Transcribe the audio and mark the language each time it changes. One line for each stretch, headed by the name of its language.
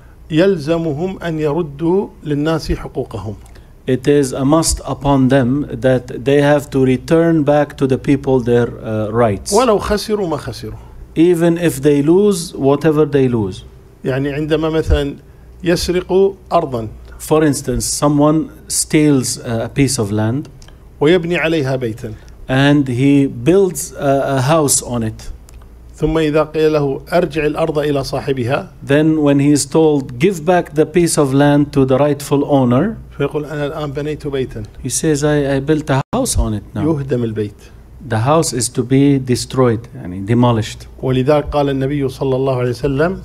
Arabic: يلزمهم أن يردوا للناس حقوقهم.
English: It is a must upon them that they have to return back to the people their rights.
Arabic: ولو خسروا ما خسروا.
English: Even if they lose whatever they lose.
Arabic: يعني عندما مثلا يسرق أرضا.
English: For instance, someone steals a piece of land.
Arabic: ويبني عليها بيتا.
English: And he builds a house on it.
Arabic: ثم إذا قيل له أرجع الأرض إلى صاحبها.
English: Then when he is told, give back the piece of land to the rightful owner.
Arabic: فيقول أنا الآن بنيت بيتا.
English: He says, I built a house on it now.
Arabic: يهدم البيت.
English: The house is to be destroyed, يعني demolished.
Arabic: ولذلك قال النبي صلى الله عليه وسلم.